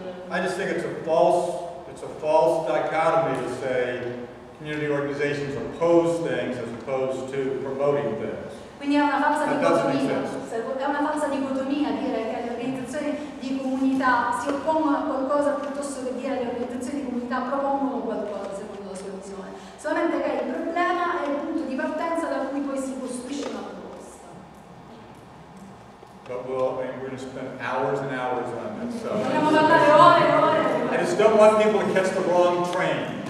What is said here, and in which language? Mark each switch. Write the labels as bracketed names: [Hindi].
[English] I just think it's a false dichotomy to say community organizations oppose things as opposed to promoting things. [Italian] Quindi è una falsa dicotomia. È una falsa dicotomia dire che le organizzazioni di comunità si oppongono a qualcosa piuttosto che dire le organizzazioni di comunità propongono qualcosa secondo la soluzione. Solamente che il problema è il punto di partenza da cui poi si costruisce una proposta. [English] But we're going to spend hours and hours on this. So I just just don't want people to catch the wrong train.